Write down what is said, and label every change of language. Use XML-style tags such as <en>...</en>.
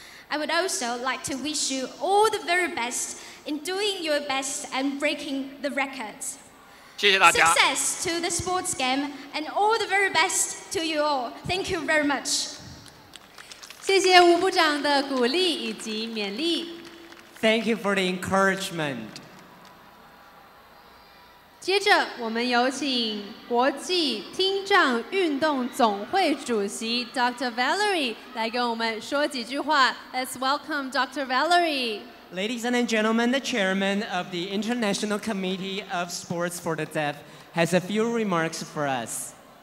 <en>I would also like to wish you all the very best in doing your best and breaking the records.</en> <zh>谢谢大家。</zh> <en>Success to the sports game and all the very best to you all. Thank you very much.</en> <zh>谢谢吴部长的鼓励以及勉励。</zh> <en>Thank you for the encouragement.</en> <zh>接着我们有请国际听障运动总会主席 Dr. Valerie 来跟我们说几句话。</zh> <en>Let's welcome Dr. Valerie. Ladies and gentlemen, the chairman of the International Committee of Sports for the Deaf has a few remarks for us.</en>